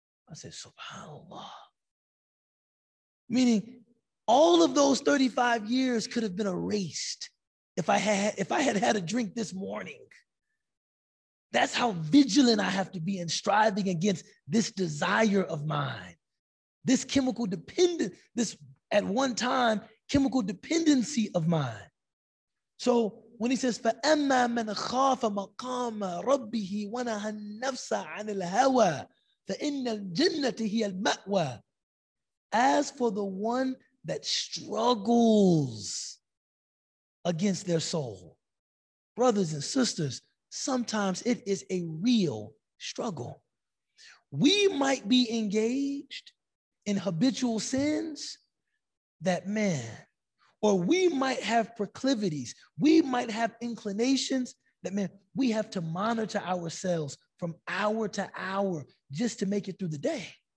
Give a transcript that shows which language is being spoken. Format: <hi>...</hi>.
<en>I said, SubhanAllah. Meaning, all of those 35 years could have been erased if I had had a drink this morning. That's how vigilant I have to be in striving against this desire of mine, this chemical dependent, this at one time chemical dependency of mine. So when he says,</en> <ar>فَأَمَّا مَنْ خَافَ مَقَامَ رَبِّهِ وَنَهَى النَّفْسَ عَنِ الْهَوَى فَإِنَّ الْجَنَّةِ هِيَ الْمَأْوَى.</ar> <en>As for the one that struggles against their soul, brothers and sisters, sometimes it is a real struggle. We might be engaged in habitual sins that, man, or we might have proclivities, we might have inclinations that, man, we have to monitor ourselves from hour to hour just to make it through the day.</en>